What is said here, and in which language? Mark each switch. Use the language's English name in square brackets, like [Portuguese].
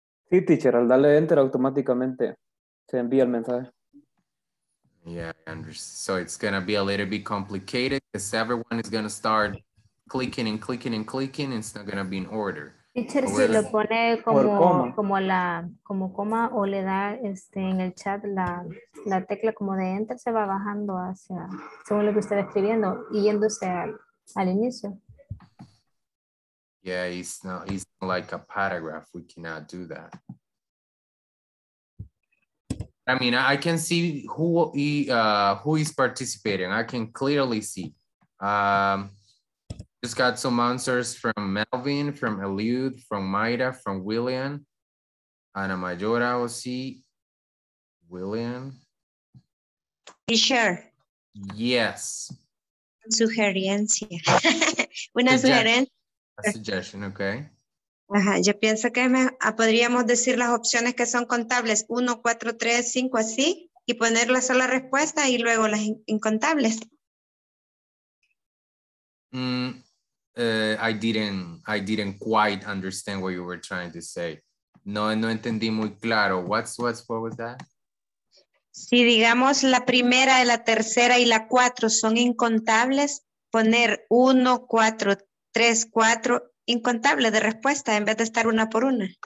[Spanish] Sí, teacher, al darle enter automáticamente se envía el mensaje. [English] Yeah, Andrew. So it's going to be a little bit complicated because everyone is going to start clicking and clicking and clicking. It's not going to be in order. [Spanish] Teacher, si lo pone como coma o le da en el chat la tecla como de enter, se va bajando hacia, según lo que usted está escribiendo, yéndose al inicio. [English] Yeah, it's not like a paragraph. We cannot do that. I mean, I can see who is participating. I can clearly see. Just got some answers from Melvin, from Eliud, from Mayra, from William, Ana Mayora, Osi, William. Sure. Yes. [Spanish] Sugerencia. Una sugerencia. [English] A suggestion, okay. [Spanish] Ajá, yo pienso que podríamos decir las opciones que son contables, 1, 4, 3, 5, así, y poner la sola respuesta y luego las incontables. [English] I didn't quite understand what you were trying to say. [Spanish] No entendí muy claro. [English] What was that? [Spanish] Si digamos la primera, la tercera y la cuatro son incontables, poner 1, 4, 3, 4, incontable de respuesta en vez de estar una por una.